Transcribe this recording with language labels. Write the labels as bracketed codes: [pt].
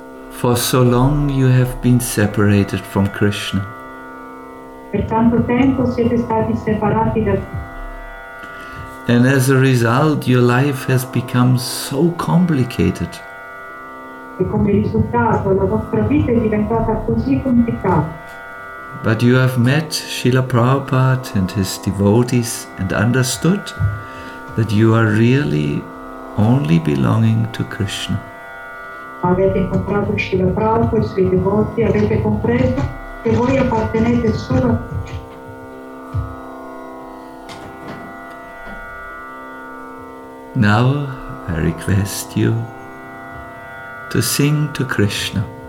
[en] For so long you have been separated from Krishna. [it] Per tanto tempo siete stati separati da. [en] And as a result, your life has become so complicated. [it] E come risultato, la vostra vita è diventata così complicata. [en] But you have met Srila Prabhupada and his devotees and understood that you are really only belonging to Krishna. [it] Avete incontrato Srila Prabhupada e i suoi devoti, avete compreso che voi appartenete solo a. [en] Now I request you to sing to Krishna.